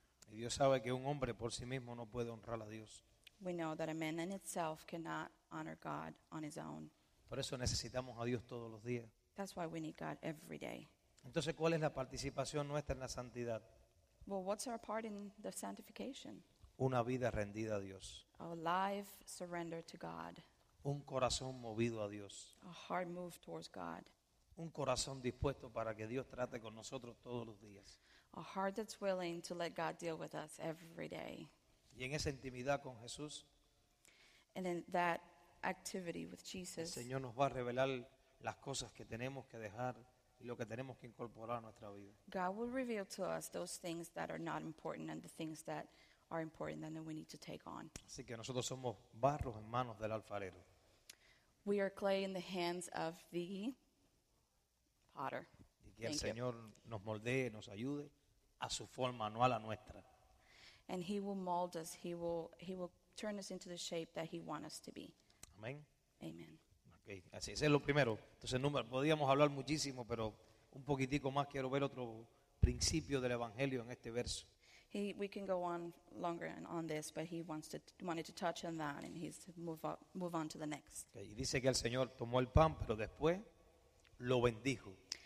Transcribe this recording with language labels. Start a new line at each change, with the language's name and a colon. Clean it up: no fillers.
Spanish: Y Dios sabe que un hombre por sí mismo no puede honrar a Dios.
English: We know that a man in itself cannot honor God on his own.
Spanish: Por eso necesitamos a Dios todos los días.
English: That's why we need God every day.
Spanish: Entonces, ¿cuál es la participación nuestra en la santidad?
English: Well, what's our part in the sanctification?
Spanish: Una vida rendida a Dios.
English: A life surrendered to God.
Spanish: Un corazón movido a Dios.
English: A heart moved towards God.
Spanish: Un corazón dispuesto para que Dios trate con nosotros todos los días.
English: A heart that's willing to let God deal with us every day.
Spanish: Y en esa intimidad con Jesús,
English: and in that activity with Jesus,
Spanish: el Señor nos va a revelar las cosas que tenemos que dejar y lo que tenemos que incorporar a nuestra vida.
English: God will reveal to us those things that are not important and the things that are important and that we need to take on.
Spanish: Así que nosotros somos barros en manos del alfarero.
English: We are clay in the hands of the potter.
Spanish: Y que el Señor nos moldee, nos ayude a su forma, no a la nuestra.
English: And he will mold us. He will turn us into the shape that he wants us to be.
Spanish: Amén.
English: Amen.
Spanish: Okay. Así es lo primero. Entonces, número, podríamos hablar muchísimo, pero un poquitico más quiero ver otro principio del evangelio en este verso.
English: We can go on longer on this, but he wanted to touch on that, and he's move on to the next. Okay.
Spanish: Y dice que el Señor tomó el pan, pero después lo bendijo.